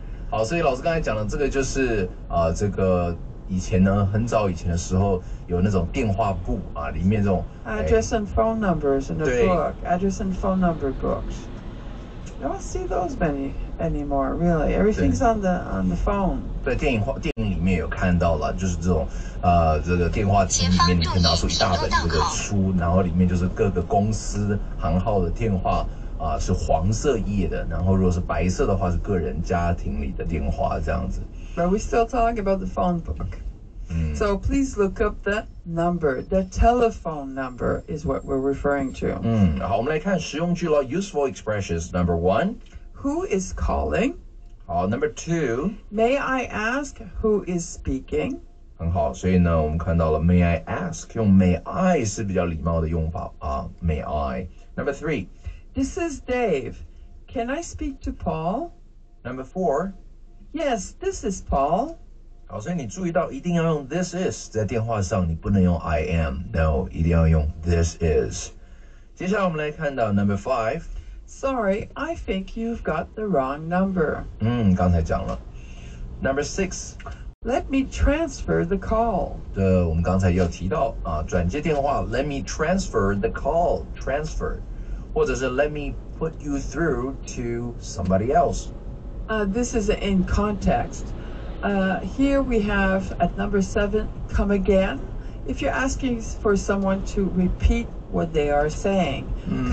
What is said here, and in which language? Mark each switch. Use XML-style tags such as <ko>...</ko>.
<zh>好，所以老师刚才讲的这个就是这个以前呢，很早以前的时候，有那种电话簿啊，里面这种</zh> <en>address and phone numbers in a book, address and phone number books. You don't see those many anymore, really. Everything's on the phone.</en> <zh>对，电影里面有看到了，就是这种这个电话亭里面你可以拿出一大本这个书，然后里面就是各个公司行号的电话。是黄色页的，然后如果是白色的话，是个人家庭里的电话这样子。</zh> <en>But we still talk about the phone book.、Mm. So please look up the number. The telephone number is what we're referring to.、</en> <zh>Mm. 好，我们来看实用句咯</zh> <en>Useful expressions. Number one. Who is calling? 好 ，Number two. May I ask who is speaking?</en> <zh>很好，所以呢，我们看到了</zh> <en>May I ask?</en> <zh>用 May I 是比较礼貌的用法啊。</zh> <en>May I? Number three. This is Dave. Can I speak to Paul? Number four. Yes, this is Paul.</en> <zh>好，所以你注意到一定要用</zh> <en>this is</en> <zh>在电话上，你不能用</zh> <en>I am. No,</en> <zh>一定要用</zh> <en>this is.</en> <zh>接下来我们来看到</zh> <en>number five. Sorry, I think you've got the wrong number.</en> <zh>刚才讲了。</zh> <en>Number six. Let me transfer the call.</en> <zh>对，我们刚才有提到啊，转接电话。</zh> <en>Let me transfer the call. Transfer.</en> <zh>或者是</zh> <en>let me put you through to somebody else. This is in context. Here we have at number seven, come again. If you're asking for someone to repeat what they are saying,、mm.</en>